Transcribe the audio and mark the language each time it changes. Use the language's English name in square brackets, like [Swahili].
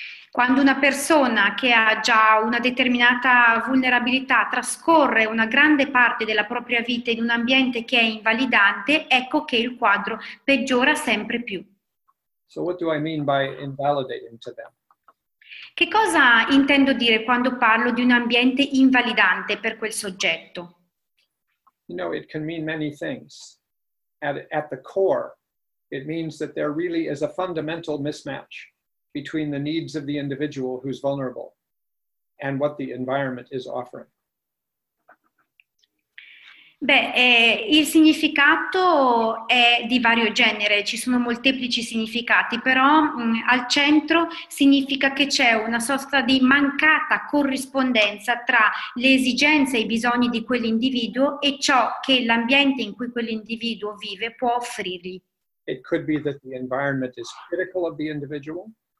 [Italian] Quando una persona che ha già una determinata vulnerabilità trascorre una grande parte della propria vita in un ambiente che è invalidante, ecco che il quadro peggiora sempre più. [English] So what do I mean by invalidating to them? [Italian] Che cosa intendo dire quando parlo di un ambiente invalidante per quel soggetto? [English] You know, it can mean many things. At the core, it means that there really is a fundamental mismatch between the needs of the individual who's vulnerable and what the environment is offering. [Italian] Il significato è di vario genere, ci sono molteplici significati, però al centro significa che c'è una sorta di mancata corrispondenza tra le esigenze e i bisogni di quell'individuo e ciò che l'ambiente in cui quell'individuo vive può offrirgli. [English] It could be that the environment is critical of the individual.